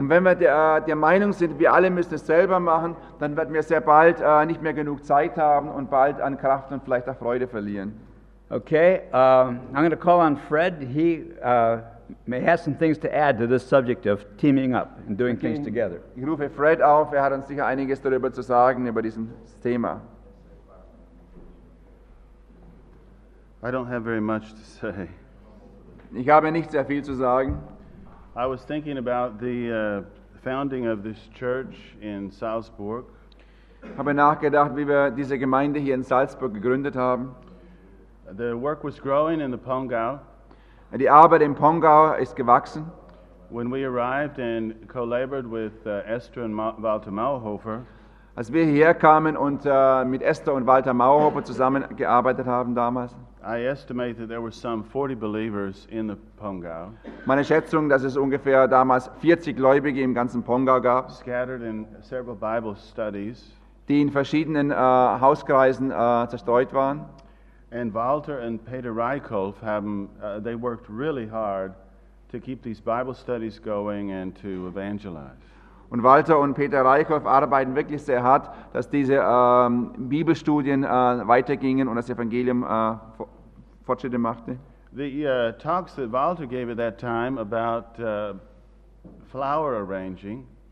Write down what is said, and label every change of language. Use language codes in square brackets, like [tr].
[de] Und wenn wir der Meinung sind, wir alle müssen es selber machen, dann werden wir sehr bald nicht mehr genug Zeit haben und bald an Kraft und vielleicht auch Freude verlieren. [en] Okay, I'm going to call on Fred. He may have some things to add to this subject of teaming up and doing things together. [de] Ich rufe Fred auf. Er hat uns sicher einiges darüber zu sagen, über diesem Thema. [en] I don't have very much to say. [de] Ich habe nicht sehr viel zu sagen. [en] I was thinking about the founding of this church in Salzburg. [de] Habe nachgedacht, wie wir diese Gemeinde hier in Salzburg gegründet haben. [en] The work was growing in the Pongau. [de] Die Arbeit im Pongau ist gewachsen. [en] When we arrived and co-labored with Esther and Walter Mauerhofer. [de] Als wir hierher kamen und mit Esther und Walter Mauerhofer zusammengearbeitet haben damals. [en] I estimate that there were some 40 believers in the Pongau. [de] Meine Schätzung, dass es ungefähr damals 40 Gläubige im ganzen Pongau gab. [en] Scattered in several Bible studies. [de] Die in verschiedenen Hauskreisen zerstreut waren. [en] And Walter and Peter Reichhoff [de] haben, [en] they worked really hard to keep these Bible studies going and to evangelize. [de] Und Walter und Peter Reichhoff arbeiten wirklich sehr hart, dass diese Bibelstudien weitergingen und das Evangelium Fortschritte machte. [en] The talks that Walter gave at that time about flower arranging.